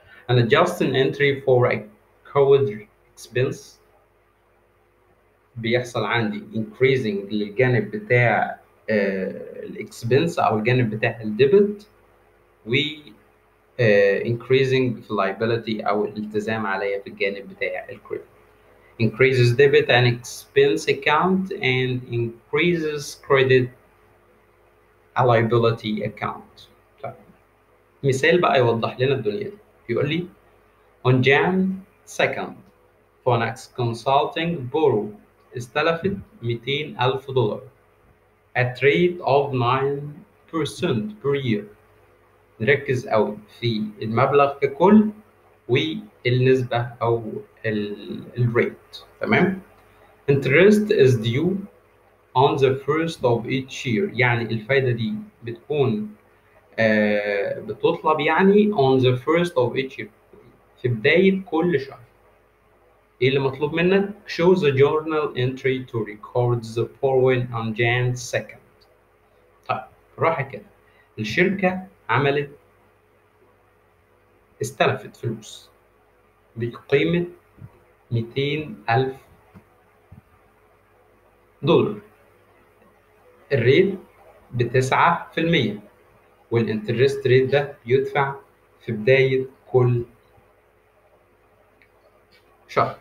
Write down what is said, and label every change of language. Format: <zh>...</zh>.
<en>an adjusting entry for accrued expense</en> <ar>بيحصل عندي increasing للجانب بتاع الاكسبنس او الجانب بتاع الديبت، و increasing في liability او الالتزام عليا في الجانب بتاع الكريدت.</ar> <en>increases debit and expense account and increases credit liability account.</en> <ar>مثال بقى يوضح لنا الدنيا، بيقول لي</ar> <en>on Jan 2nd Phoenix Consulting borrow استلفت $200,000 at rate of 9% per year.</en> <ar>نركز قوي في المبلغ ككل والنسبة أو الـ rate.</ar> <en>تمام؟ interest is due on the first of each year،</en> <ar>يعني الفايدة دي بتكون بتطلب يعني</ar> <en>on the first of each year،</en> <ar>في بداية كل شهر. ايه اللي مطلوب منك؟</ar> <en>show the journal entry to record the borrowing on Jan 2nd.</en> <ar>طيب راح كده، الشركة عملت استلفت فلوس بقيمة $200,000، الريت ب9% والانترست ريت ده يدفع في بداية كل شهر.</ar>